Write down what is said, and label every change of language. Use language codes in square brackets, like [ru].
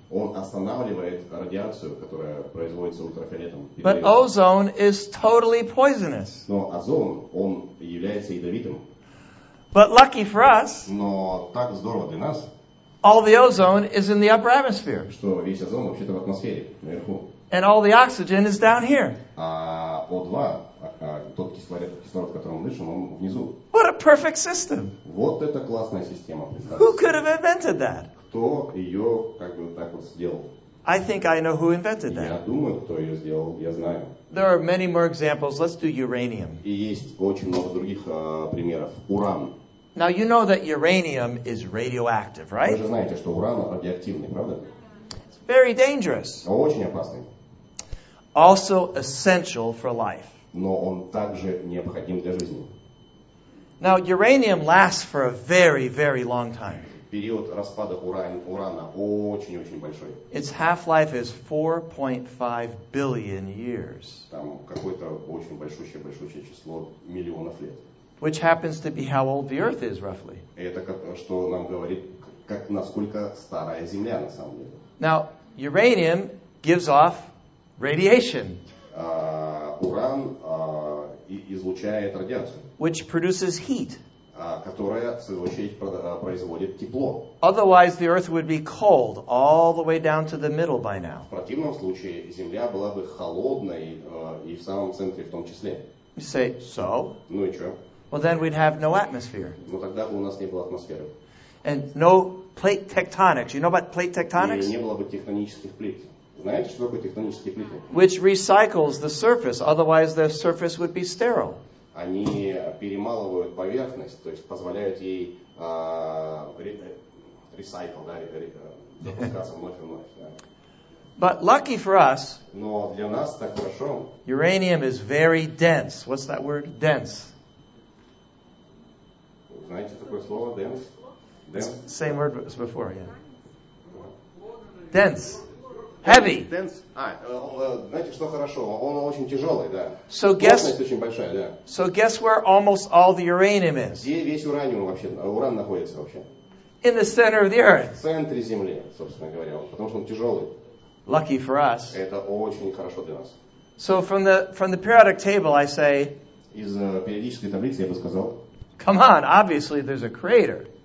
[ru] Он останавливает радиацию, которая производится ультрафиолетом. [en] But ozone is totally poisonous. [ru] Но озон, он является ядовитым. [en] But lucky for us, [ru] но так здорово для нас, [en] all the ozone is in the upper atmosphere. [ru] Что весь озон вообще-то в атмосфере, наверху. [en] And all the oxygen is down here. [ru] А O2, тот кислород, которым мы дышим, он внизу. [en] What a perfect system. [ru] Вот это классная система. [en] Who could have invented that? [ru] Кто ее как бы так вот сделал? [en] I think I know who invented that. [ru] Я думаю, кто ее сделал, я знаю. [en] There are many more examples. Let's do uranium. [ru] И есть очень много других примеров. Уран. [en] Now you know that uranium is radioactive, right? [ru] Вы же знаете, что уран радиоактивный, правда? [en] It's very dangerous. [ru] Очень опасный. [en] Also essential for life. [ru] Но он также необходим для жизни. [en] Now uranium lasts for a very, very long time. [ru] Период распада урана очень-очень большой. [en] Its half-life is 4.5 billion years. [ru] Там какое-то очень большущее число миллионов лет. [en] Which happens to be how old the Earth is, roughly. [ru] Это что нам говорит, как насколько старая Земля на самом деле. [en] Now uranium gives off radiation. [ru] Уран излучает радиацию. [en] Which produces heat. [ru] Которая, в свою очередь, производит тепло. [en] Otherwise, the Earth would be cold all the way down to the middle by now. [ru] В противном случае, Земля была бы холодной и в самом центре в том числе. [en] You say, so? [ru] Ну и что? [en] Well, then we'd have no atmosphere. [ru] Ну тогда бы у нас не было атмосферы. [en] And no plate tectonics. You know about plate tectonics? [ru] И не было бы тектонических плит. Знаете, что такое тектонические плиты? [en] Which recycles the surface. Otherwise, the surface would be sterile. [ru] Они перемалывают поверхность, то есть позволяют ей запускаться вновь и вновь. [en] Yeah. But lucky for us, [ru] но для нас так хорошо. [en] Uranium is very dense. What's that word? Dense. [ru] Знаете такое слово? Dense? [en] Same word as before, yeah. Dense. Heavy. [ru] Знаете, что хорошо? Он очень тяжелый, да. [en] So guess. [ru] Очень большая, да. [en] So guess where almost all the uranium is. [ru] Где весь ураниум вообще? Уран находится вообще? [en] In the center of the earth. [ru] В центре земли, собственно говоря, потому что он тяжелый. [en] Lucky for us. [ru] Это очень хорошо для нас. [en] So from the periodic table, I say. [ru] Из периодической таблицы я бы сказал. [en] Come on, obviously there's a creator.